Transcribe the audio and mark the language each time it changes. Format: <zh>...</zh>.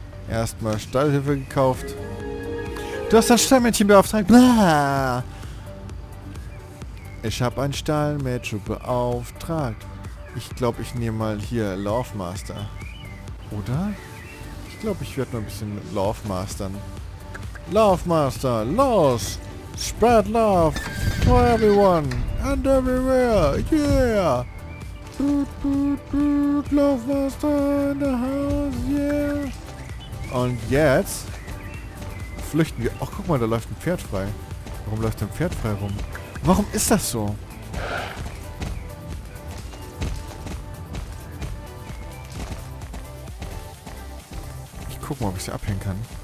<de>Erstmal Stallhilfe gekauft. Du hast ein Stallmädchen beauftragt. Blah. Ich habe ein Stallmädchen beauftragt. Ich glaube, ich nehme mal hier Love Master. Oder? Ich glaube, ich werde mal ein bisschen Love Mastern. Love Master, los!</de> <en>Spread love for everyone and everywhere, yeah! Boot, boot, boot, Love Master in the house, yeah!</en> <de>Und jetzt flüchten wir. Ach, guck mal, da läuft ein Pferd frei. Warum läuft ein Pferd frei rum? Warum ist das so? Ich guck mal, ob ich sie abhängen kann.</de>